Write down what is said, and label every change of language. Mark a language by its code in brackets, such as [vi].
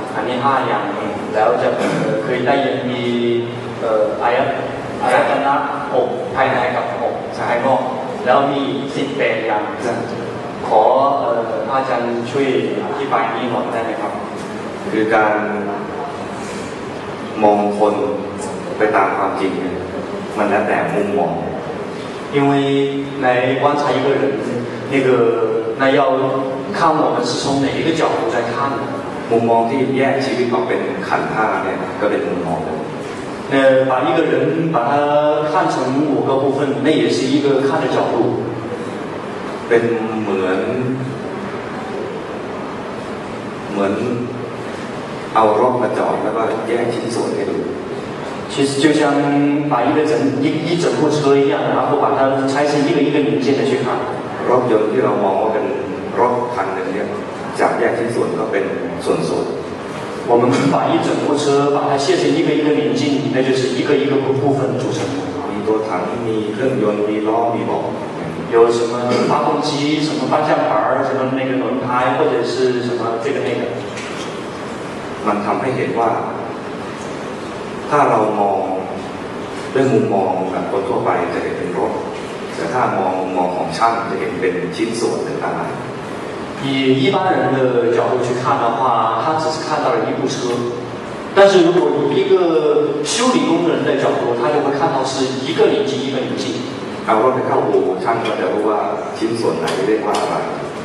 [th] อันนี้5อย่างแล้วจะเคยได้ยินมีอายตนะ6ภายในกับ6ภายนอกแล้วมี18อย่างขออาจารย์ช่วยอธิบายนี้หน่อยได้ไหมครับ คือการมองคนไปตามความจริงมันแล้วแต่มุมมอง [zh] 因为来观察一个人那个那要看我们是从哪一个角度在看的 [th] มุมมองที่แยกชีวิตออกเป็นขันธ์5เนี่ยก็เป็นมุมมอง [zh] นะ把一个人把他看成五个部分那也是一个看的角度 [th] เป็นเหมือนเอารถมาจอดแล้วก็แยกชิ้นส่วนให้ดู [zh] 其实就像把一整部车一样然后把它拆成一个零件的去看 [th] รถยนต์ที่เรามองว่าเป็นรถคันนึงเนี่ยจับแยกชิ้นส่วนก็เป็นส่วนส่วน [zh] 我们把一整部车把它卸成一个一个零件那就是一个部分组成 [th] มีตัวถังมีเครื่องยนต์มีล้อมีเบาะ [zh] 有什么发动机什么方向盘什么那个轮胎或者是什么这个那个 [th] มันทำให้เห็นว่าถ้าเรามองด้วยมุมมองแบบคนทั่วไปจะเห็นเป็นรถแต่ถ้ามองของช่างจะเห็นเป็นชิ้นส่วนหรืออะไร [zh] 以一般人的角度去看的话，他只是看到了一部车。但是如果以一个修理工人的角度，他就会看到是一个零件一个零件。我们看五厂的话，啊，金属哪一类化吧？